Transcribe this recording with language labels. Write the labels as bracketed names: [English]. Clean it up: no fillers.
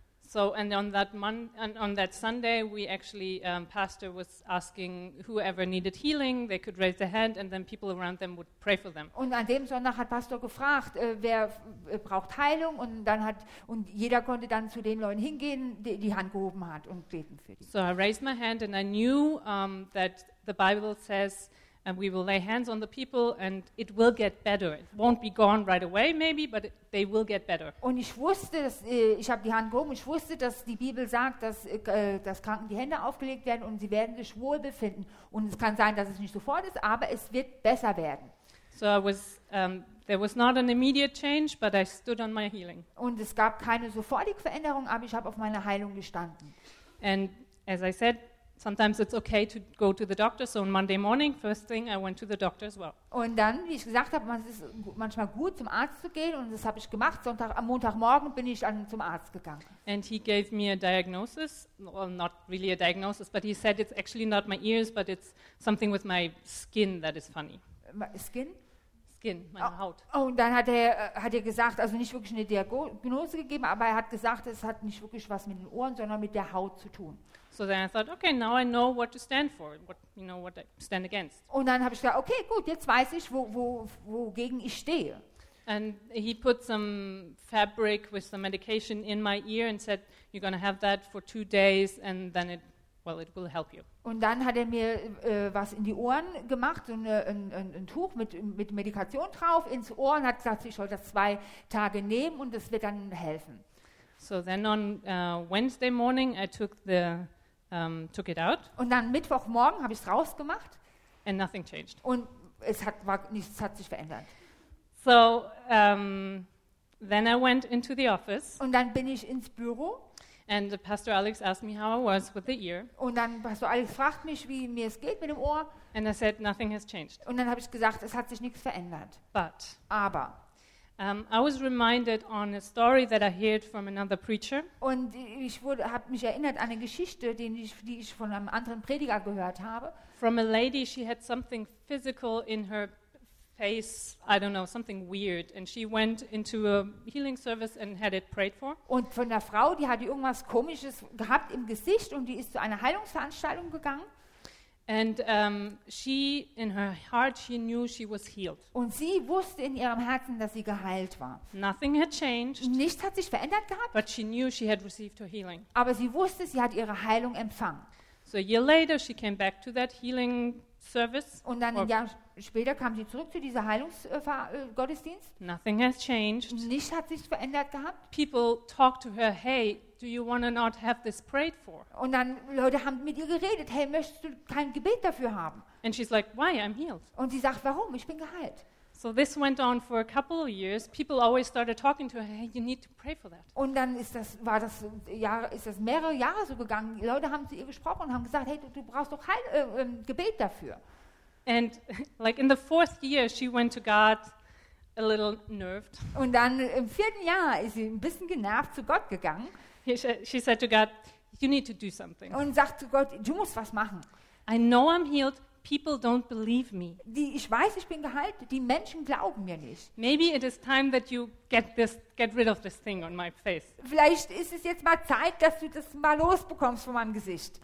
[English] So and on that on that Sunday we actually pastor was asking whoever needed healing they could raise their hand and then people around them would pray for them. [German] Und an dem Sonntag hat Pastor gefragt, wer braucht Heilung und dann hat und jeder konnte dann zu den Leuten hingehen, die Hand gehoben hat und beten für die. [English] So I raised my hand and I knew that the Bible says we will lay hands on the people and it will get better. It won't be gone right away maybe, but they will get better. [German] Und ich wusste, dass, ich habe die Hand gehoben, ich wusste, dass die Bibel sagt, dass Kranken die Hände aufgelegt werden und sie werden sich wohl befinden. Und es kann sein, dass es nicht sofort ist, aber es wird besser werden. [English] So I was, there was not an immediate change, but I stood on my healing. [German] Und es gab keine sofortige Veränderung, aber ich habe auf meiner Heilung gestanden. [English] And as I said, sometimes it's okay to go to the doctor. So on Monday morning, first thing, I went to the doctor as well. [German] Und dann, wie ich gesagt habe, es ist manchmal gut, zum Arzt zu gehen. Und das habe ich gemacht. Am Montagmorgen bin ich zum Arzt gegangen. [English] And he gave me a diagnosis. Well, not really a diagnosis, but he said it's actually not my ears, but it's something with my skin that is funny. Skin? [German] Skin, meine Haut. Oh, und dann hat er gesagt, also nicht wirklich eine Diagnose gegeben, aber er hat gesagt, es hat nicht wirklich was mit den Ohren, sondern mit der Haut zu tun. [English] So then I thought, okay, now I know what to stand for, what, you know, what I stand against. [German] Und dann habe ich gesagt, okay, gut, jetzt weiß ich, wogegen ich stehe. [English] And he put some fabric with some medication in my ear and said, you're going to have that for 2 days and then it, well, it will help you. [German] Und dann hat er mir was in die Ohren gemacht, so ein Tuch mit Medikation drauf, ins Ohr und hat gesagt, ich soll das 2 Tage nehmen und das wird dann helfen. [English] So then on Wednesday morning I took it out. [German] Und dann Mittwochmorgen habe ich es rausgemacht. [English] And nothing changed. [German] Und nichts hat sich verändert. [English] So then I went into the office. [German] Und dann bin ich ins Büro. [English] And Pastor Alex asked me how I was with the ear. [German] Und dann Pastor Alex fragt mich, wie mir es geht mit dem Ohr. [English] And I said nothing has changed. [German] Und dann habe ich gesagt, es hat sich nichts verändert. [English] But. [German] Aber. [English] I was reminded on a story that I heard from another preacher. [German] Und ich habe mich erinnert an eine Geschichte, die ich von einem anderen Prediger gehört habe. [English] From a lady, she had something physical in her face, I don't know, something weird, and she went into a healing service and had it prayed for. [German] Und von der Frau, die hatte irgendwas Komisches gehabt im Gesicht und die ist zu einer Heilungsveranstaltung gegangen. [English] And she, in her heart, she knew she was healed. [German] Und sie wusste in ihrem Herzen, dass sie geheilt war. [English] Nothing had changed. [German] Nichts hat sich verändert gehabt. [English] But she knew she had received her healing. [German] Aber sie wusste, sie hat ihre Heilung empfangen. [English] So a year later, she came back to that healing service. [German] Und dann ein Jahr später kam sie zurück zu dieser Heilungsgottesdienst. [English] Nothing has changed. [German] Nichts hat sich verändert gehabt. [English] People talk to her, hey, do you want to not have this prayed for? [German] Und dann Leute haben mit ihr geredet, hey, möchtest du kein Gebet dafür haben? [English] And she's like, why? I'm healed. [German] Und sie sagt, warum? Ich bin geheilt. [English] So this went on for a couple of years. People always started talking to her, hey, you need to pray for that. [German] Und dann ist das mehrere Jahre so gegangen. Die Leute haben zu ihr gesprochen und haben gesagt, hey, du brauchst doch Gebet dafür. [English] And like in the fourth year she went to God a little nerved. [German] Und dann im vierten Jahr ist sie ein bisschen genervt zu Gott gegangen. [English] She said to God, you need to do something. [German] Und sagt zu Gott, du musst was machen. [English] I know I'm healed. People don't believe me. [German] Ich weiß, ich bin geheilt. Die Menschen glauben mir nicht. [English] Maybe it is time that you get rid of this thing on my face. [German] Vielleicht ist es jetzt mal Zeit, dass du das mal losbekommst von meinem Gesicht.